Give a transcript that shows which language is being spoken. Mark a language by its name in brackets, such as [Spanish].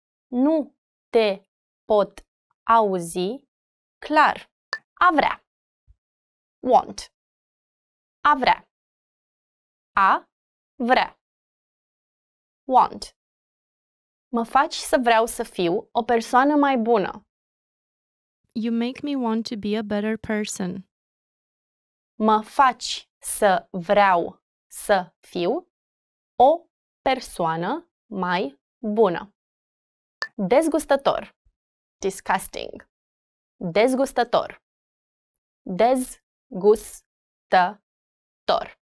[Romanian] Nu te pot auzi clar. A vrea. [English] Want. [Romanian] A vrea. A vrea. [English] Want. [Romanian] Mă faci să vreau să fiu o persoană mai bună. [English] You make me want to be a better person. [Romanian] Mă faci să vreau să fiu o persoană mai bună. Dezgustător. [English] Disgusting. [Romanian] Dezgustător. Dezgustător.